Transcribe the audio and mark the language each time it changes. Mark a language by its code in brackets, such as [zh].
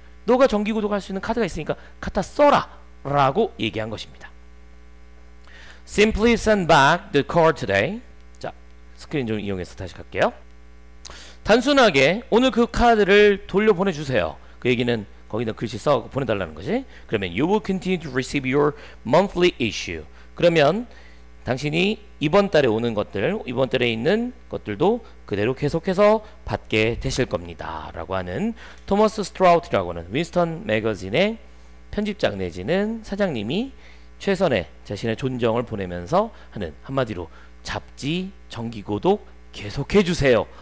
[ko] 너가 정기구독할 수 있는 카드가 있으니까 갖다 써라 라고 얘기한 것입니다. [en] Simply send back the card today. [ko] 자, 스크린 좀 이용해서 다시 갈게요. 단순하게 오늘 그 카드를 돌려보내주세요. 그 얘기는 거기다 글씨 써 보내달라는 거지. 그러면 [en] you will continue to receive your monthly issue. [ko] 그러면 당신이 이번 달에 오는 것들, 이번 달에 있는 것들도 그대로 계속해서 받게 되실 겁니다. 라고 하는 토머스 스트라우트라고 하는 윈스턴 매거진의 편집장 내지는 사장님이 최선의 자신의 존경을 보내면서 하는 한마디로 잡지 정기구독 계속해주세요.